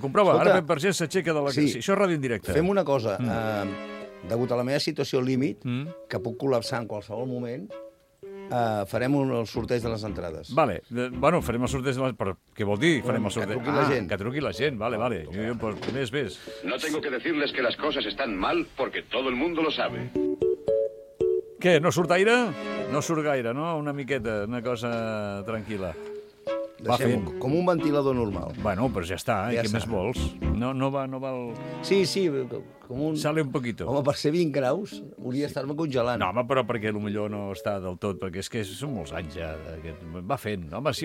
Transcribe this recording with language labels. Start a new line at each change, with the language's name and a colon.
Catalan: Escolta, ara ben per gent s'aixeca de la... Sí, això és ràdio en directe. Fem una cosa. Degut a la meva situació límit, que puc col·lapsar en qualsevol moment, farem el sorteig de les entrades. Vale. Bueno, farem el sorteig de les... Però què vol dir, farem el sorteig? Que truqui la gent. Que truqui la gent, vale. Jo, pues, més.
Spanish: No tengo que decirles que las cosas están mal porque todo el mundo lo sabe.
Catalan: Què, no surt aire? No surt gaire, no? Una miqueta, una cosa tranquil·la. Va fent. Com un ventilador normal. Bueno, però ja està, ja què més vols? No va... Sí, com un...
Spanish: Sale un poquito.
Catalan: Home, per ser 20 graus, hauria d'estar-me congelant. No, home, però perquè potser no està del tot, perquè és que són molts anys ja. Va fent, home, sí.